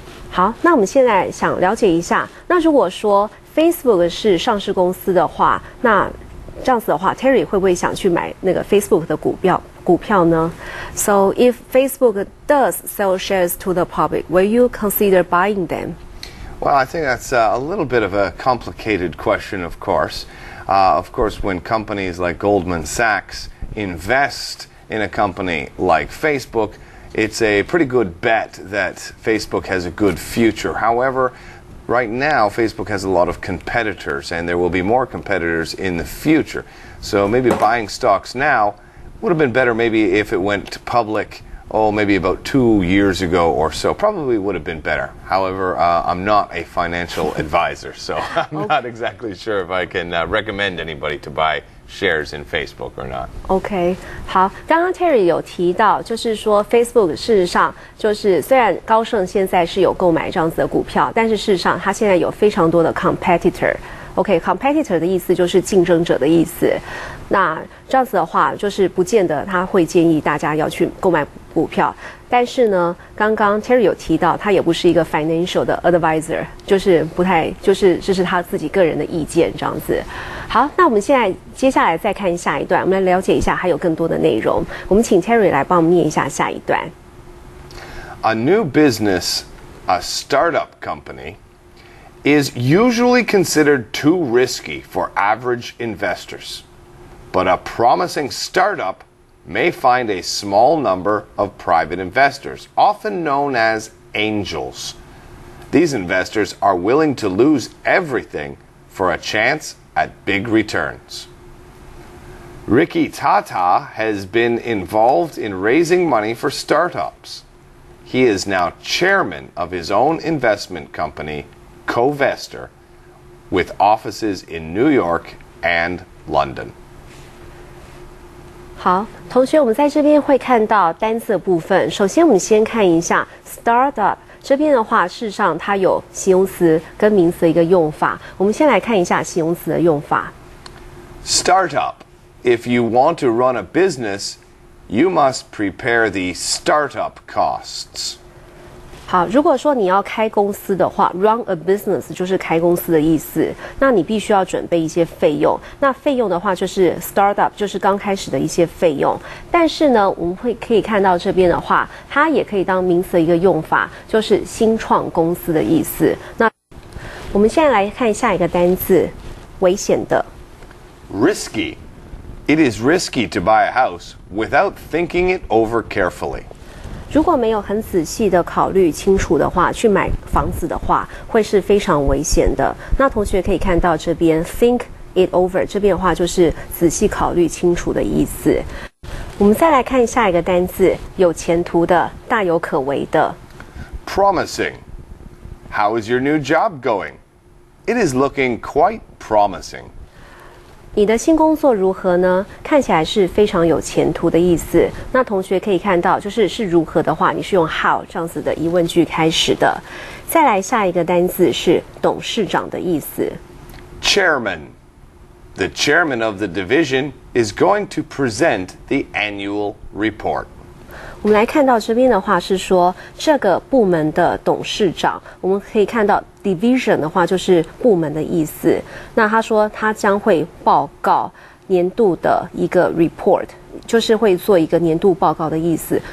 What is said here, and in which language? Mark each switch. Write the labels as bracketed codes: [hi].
[zh] 好，那我们现在想了解一下，那如果说 Facebook 是上市公司的话，那这样子的话 ，Terry 会不会想去买那个 Facebook 的股票呢 ？ [en] So if Facebook does sell shares to the public, will you consider buying them? Well, I think that's a little bit of a complicated question. Of course, when companies like Goldman Sachs invest in a company like Facebook, it's a pretty good bet that Facebook has a good future. However,Right now, Facebook has a lot of competitors, and there will be more competitors in the future. So maybe buying stocks now would have been better maybe if it went public, maybe about 2 years ago or so. Probably would have been better. However, I'm not a financial advisor, so I'm not exactly sure if I can recommend anybody to buy shares in Facebook or not. [zh] Okay, 好，刚刚 Terry 有提到，就是说 Facebook 事实上就是虽然高盛现在是有购买这样子的股票，但是事实上它现在有非常多的 competitor. Okay, competitor 的意思就是竞争者的意思。那这样子的话，就是不见得他会建议大家要去购买股票。但是呢，刚刚 Terry 有提到，他也不是一个 financial 的 advisor， 就是不太，就是这是他自己个人的意见这样子。好，那我们现在接下来再看下一段，我们来了解一下还有更多的内容。我们请 Terry 来帮我们念一下下一段。 [en] A new business, a startup company, is usually considered too risky for average investors, but a promising startup. May find a small number of private investors, often known as angels. These investors are willing to lose everything for a chance at big returns. Ricky Tata has been involved in raising money for startups. He is now chairman of his own investment company, Covestor, with offices in New York and London. [zh] 好，同学，我们在这边会看到单字的部分。首先，我们先看一下 startup 这边的话，事实上它有形容词跟名词的一个用法。我们先来看一下形容词的用法。 [en] Startup. If you want to run a business, you must prepare the startup costs. [zh] 好，如果说你要开公司的话 ， [en] run a business [zh] 就是开公司的意思。那你必须要准备一些费用。那费用的话就是 startup， 就是刚开始的一些费用。但是呢，我们会可以看到这边的话，它也可以当名词的一个用法，就是新创公司的意思。那我们现在来看下一个单字，危险的 [en] ，risky。 It is risky to buy a house without thinking it over carefully. [zh] 如果没有很仔细的考虑清楚的话，去买房子的话会是非常危险的。那同学可以看到这边 [en] think it over， [zh] 这边的话就是仔细考虑清楚的意思。我们再来看下一个单字，有前途的，大有可为的。 [en] Promising. How is your new job going? It is looking quite promising. [zh] 你的新工作如何呢？看起来是非常有前途的意思。那同学可以看到，就是是如何的话，你是用 how 这样子的疑问句开始的。再来下一个单字是董事长的意思。 [en] Chairman. The chairman of the division is going to present the annual report. [zh] 我们来看到这边的话是说这个部门的董事长，我们可以看到 division 的话就是部门的意思。那他说他将会报告年度的一个 report， 就是会做一个年度报告的意思。